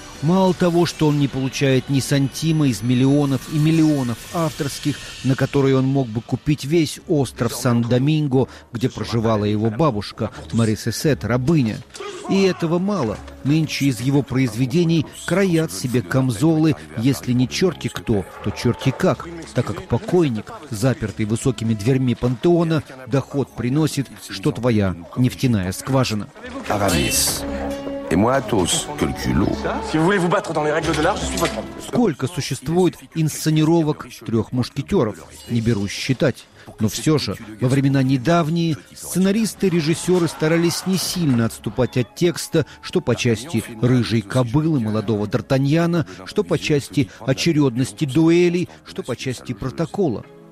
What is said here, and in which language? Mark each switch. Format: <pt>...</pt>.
<ru>Мало того, что он не получает ни сантима из миллионов и миллионов авторских, на которые он мог бы купить весь остров Сан-Доминго, где проживала его бабушка Мари Сесет, рабыня. И этого мало. Нынче из его произведений кроят себе камзолы, если не черти кто, то черти как, так как покойник, запертый высокими дверьми пантеона, доход приносит, что твоя нефтяная скважина.</ru> <fr>Et moi, tous, que le culot. Si vous voulez vous battre dans les règles de l'art, je suis votre homme.</fr> <ru>Сколько существует инсценировок «Трех мушкетеров»? Не берусь считать. Но все же, во времена недавние, сценаристы и режиссеры старались не сильно отступать от текста, что по части «Рыжей кобылы» молодого Д'Артаньяна, что по части очередности дуэлей, что по части протокола.</ru>